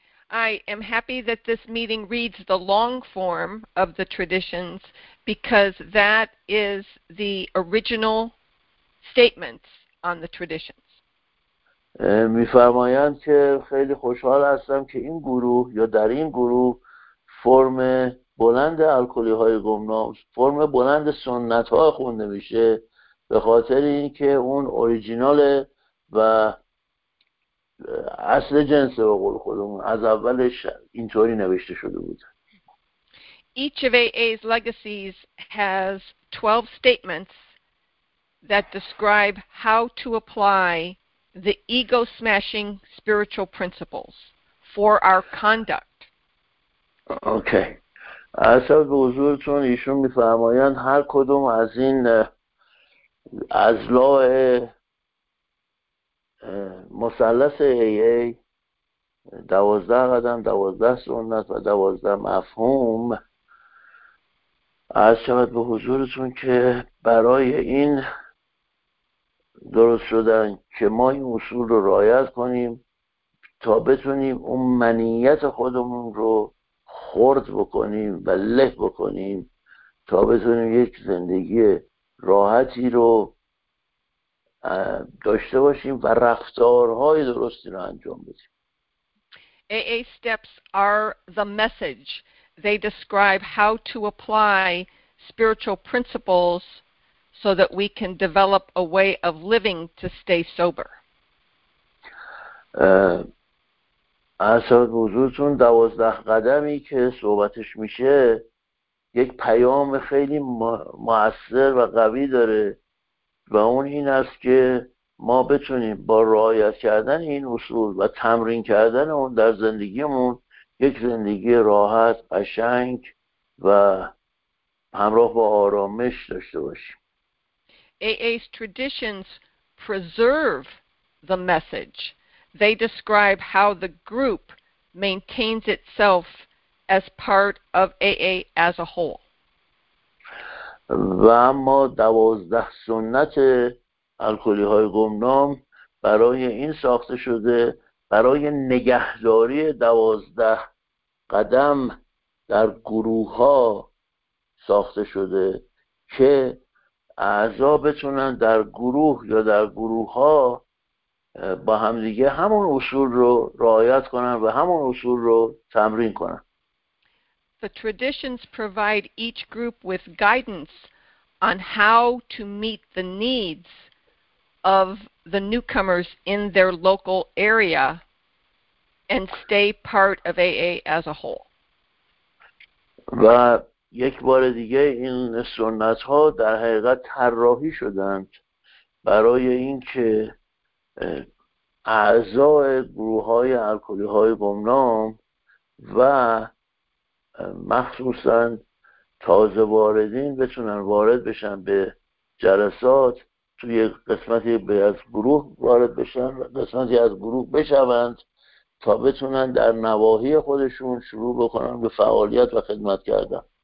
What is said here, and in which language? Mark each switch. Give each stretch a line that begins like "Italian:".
English: I am happy that this meeting reads the long form of the traditions because that is the original statements on the traditions.
Persian: میفرمایند که خیلی خوشحال هستم که این گروه یا در این گروه فرم بلند الکلی های گمنام، فرم بلند سنت ها خونده میشه، به خاطر اینکه اون اوریجینال و اصل جنس به قول خودمون از اولش اینطوری نوشته شده بود.
English: Each of AA's legacies has 12 statements that describe how to apply the ego-smashing spiritual principles for our conduct. Okay.
Persian: اصل به حضورتون ایشون میفرمایند هر کدوم از این اضلاع مثلث AA 12 قدم، 12 سنت و 12 مفهوم اصل به حضورتون که برای این درست شدن که ما این اصول رو رعایت کنیم تا بتونیم اون منیت خودمون رو خرد بکنیم و له بکنیم تا بتونیم یک زندگی راحتی رو داشته باشیم و رفتارهای درستی رو انجام بدیم.
English: AA steps are the message. They describe how to apply spiritual principles so that we can develop a way of living to stay sober.
Persian: اساس وجودتون 12 قدمی که صحبتش میشه یک پیام خیلی مؤثر و قوی داره و اون این است که ما بتونیم با رعایت کردن این اصول و تمرین کردن اون در زندگیمون یک زندگی راحت، قشنگ و همراه با آرامش داشته باشیم.
English: AA's traditions preserve the message. They describe how the group maintains itself as part of AA as a whole.
Persian: و اما 12 سنت الکلی های گمنام برای این ساخته شده برای نگهداری 12 قدم در گروه ها ساخته شده که اعضا بتونن در گروه یا در گروه ها با همدیگه همون اصول رو رعایت کنن و همون اصول رو تمرین کنن.
English: The traditions provide each group with guidance on how to meet the needs of the newcomers in their local area and stay part of AA as a whole.
Persian: و یک بار دیگه این سنت ها در حقیقت طراحی شدند برای اینکه اعضای گروه های الکلی های گمنام و مخصوصا تازه واردین بتونن وارد بشن به جلسات، توی قسمتی از گروه وارد بشن و قسمتی از گروه بشوند تا بتونن در نواحی خودشون شروع بکنن به فعالیت و خدمت کردن.